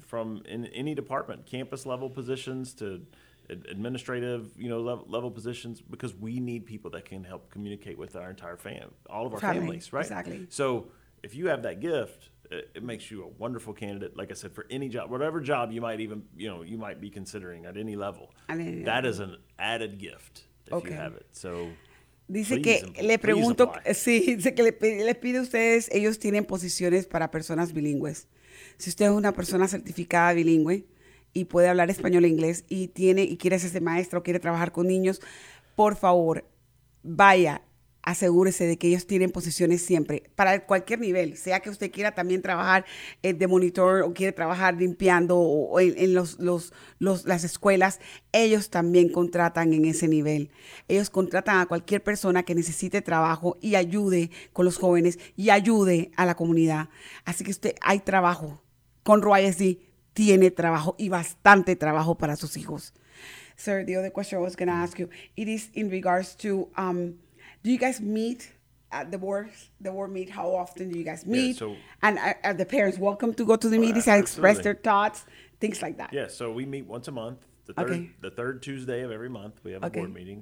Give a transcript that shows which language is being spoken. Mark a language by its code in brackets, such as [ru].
[en] From in any department, campus level positions to administrative, you know, level positions, because we need people that can help communicate with our entire families, right? Exactly. So if you have that gift, it makes you a wonderful candidate, like I said, for any job, whatever job you might even, you know, you might be considering at any level. That is an added gift if okay. you have it. So [es] dice que le pregunto, sí, dice que le pide a ustedes, ellos tienen posiciones para personas bilingües. Si usted es una persona certificada bilingüe y puede hablar español e inglés y tiene y quiere ser maestro, quiere trabajar con niños, por favor, vaya, asegúrese de que ellos tienen posiciones siempre para cualquier nivel, sea que usted quiera también trabajar de monitor o quiere trabajar limpiando o en las escuelas, ellos también contratan en ese nivel. Ellos contratan a cualquier persona que necesite trabajo y ayude con los jóvenes y ayude a la comunidad. Así que usted, hay trabajo. Conroe ISD tiene trabajo y bastante trabajo para sus hijos. [en] Sir, the other question I was going to ask you, it is in regards to... do you guys meet at the board meet? How often do you guys meet? Yeah, so, and are the parents welcome to go to the meetings and express their thoughts, things like that? Yeah, so we meet once a month. The third Tuesday of every month, we have a board meeting.